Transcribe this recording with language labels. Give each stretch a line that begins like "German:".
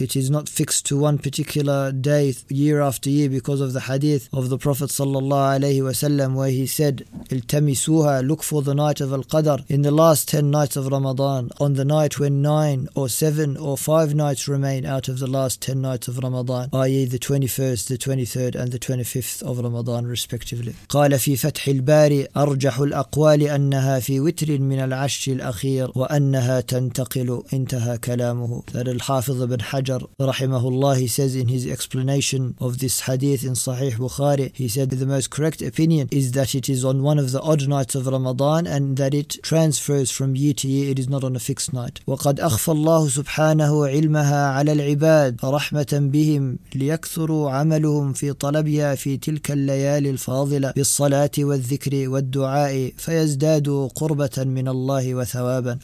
English: It is not fixed to one particular day year after year because of the hadith of the Prophet صلى الله عليه وسلم where he said التمسوها look for the night of Al-Qadr in the last 10 nights of Ramadan on the night when 9 or 7 or 5 nights remain out of the last 10 nights of Ramadan i.e. the 21st, the 23rd and the 25th of Ramadan respectively.
Arabic: قال في فتح الباري أرجح الأقوال أنها في وتر من العشر الأخير وأنها تنتقل انتهى كلامه.
English: That Al-Hafidh ibn Hajar رحمه الله he says in his explanation of this hadith in Sahih Bukhari he said the most correct opinion is that it is on one of the odd nights of Ramadan and that it transfers from year to year, it is not on a fixed night.
Arabic: وَقَدْ أَخْفَى اللَّهُ سُبْحَانَهُ عِلْمَهَا عَلَى الْعِبَادِ رَحْمَةً بِهِمْ لِيَكْثُرُوا عَمَلُهُمْ فِي طَلَبِهَا فِي تِلْكَ اللَّيَالِ الْفَاضِلَةِ بِالصَّلَاةِ وَالذِّكْرِ وَالدُّعَاءِ فَيَزْدَادُوا قُرْبَةً مِنَ اللَّهِ وَثَوَابًا.